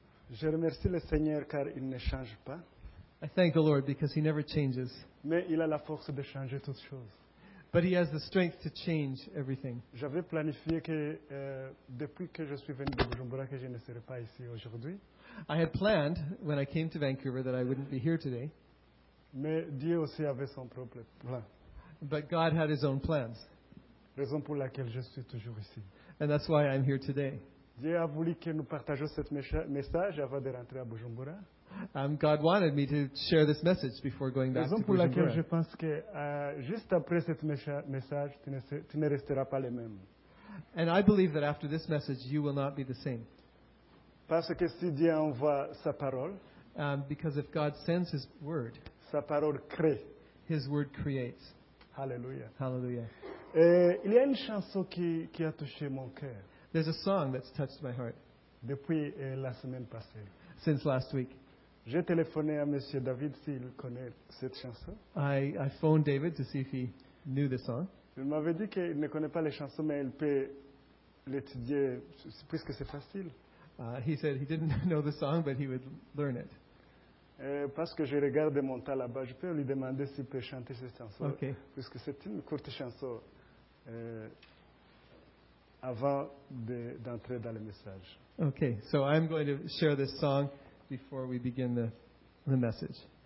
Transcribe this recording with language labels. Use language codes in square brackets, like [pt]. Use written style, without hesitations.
[fr] Je remercie le Seigneur car il ne change pas. [en] I thank the Lord because he never changes. [fr] Mais il a la force de changer toutes choses. [en] But he has the strength to change everything. [fr] J'avais planifié que depuis que je suis venu de Bujumbura que je ne serai pas ici aujourd'hui. [en] I had planned when I came to Vancouver that I wouldn't be here today. [fr] Mais Dieu aussi avait son propre plan. [en] But God had his own plans. [fr] Raison pour laquelle je suis toujours ici. [en] And that's why I'm here today. [fr] Dieu a voulu que nous partagions ce message avant de rentrer à Bujumbura. [en] God wanted me to share this message before going back to Bujumbura. [fr] Raison pour laquelle je pense que juste après ce message, tu ne resteras pas le même. [en] And I believe that after this message, you will not be the same. [fr] Parce que si Dieu envoie sa parole, [en] because if God sends his word, [fr] sa parole crée. [en] His word creates. [fr] Hallelujah. [en] Hallelujah. [fr] Il y a une chanson qui a touché mon cœur. [en] There's a song that's touched my heart. [fr] Depuis la semaine passée. [en] Since last week. [fr] J'ai téléphoné à Monsieur David s'il connaît cette chanson. [en] I phoned David to see if he knew the song. [fr] Il m'avait dit qu'il ne connaît pas les chansons, mais il peut l'étudier puisque c'est facile. [en] He said he didn't know the song, but he would learn it. [fr] Parce que je regarde mon temps là-bas, je peux lui demander s'il peut chanter cette chanson. [en] Okay. [fr] Puisque c'est une courte chanson. Avant d'entrer dans le message. [en] Okay, so I'm going to share this song before we begin the message.